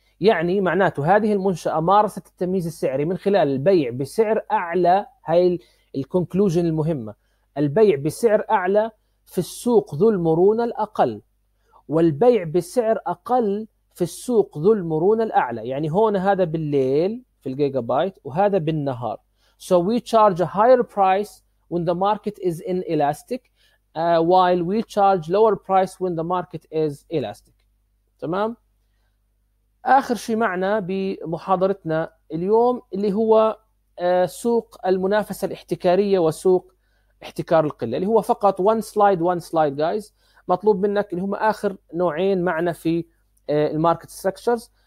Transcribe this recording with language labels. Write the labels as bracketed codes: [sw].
[ar] يعني معناته هذه المنشأة مارست التمييز السعري من خلال البيع بسعر أعلى. هاي الكونكلوجن المهمة، البيع بسعر أعلى في السوق ذو المرونة الأقل، والبيع بسعر أقل في السوق ذو المرونة الأعلى. يعني هون هذا بالليل في الجيجا بايت وهذا بالنهار. [en] So we charge a higher price when the market is inelastic, while we charge lower price when the market is elastic. [ar] تمام؟ آخر شيء معنا بمحاضرتنا اليوم اللي هو سوق المنافسة الاحتكارية وسوق احتكار القلة، اللي هو فقط [en] one slide guys. [ar] مطلوب منك اللي هم آخر نوعين معنا في الماركت ستراكشرز.